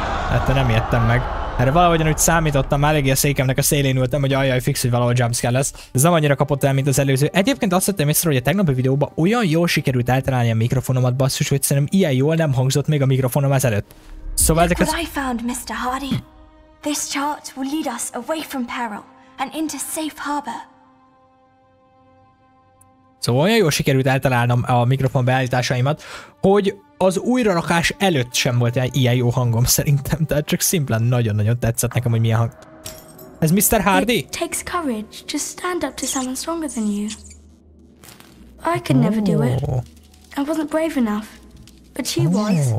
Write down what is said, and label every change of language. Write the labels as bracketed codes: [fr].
[hu] Hát nem értem meg. Erre valahogyan úgy számítottam, eléggé a székemnek a szélén ültem, hogy ajjaj, fix, hogy valahol jumpscare lesz. Ez nem annyira kapott el, mint az előző. Egyébként azt vettem észre, hogy a tegnapi videóban olyan jól sikerült eltalálni a mikrofonomat, basszus, hogy szerintem ilyen jól nem hangzott még a mikrofonom ezelőtt. Szóval ezek az... Mr. Hardy. [en] This chart will lead us away from peril and into safe harbor. [hu] Szóval olyan jól sikerült eltalálnom a mikrofon beállításaimat, hogy az újrarakás előtt sem volt ilyen jó hangom szerintem, tehát csak szimplán nagyon-nagyon tetszett nekem, hogy milyen hang. Ez Mr. Hardy? [en] It takes courage to stand up to someone stronger than you. I could never do it. I wasn't brave enough, but she was.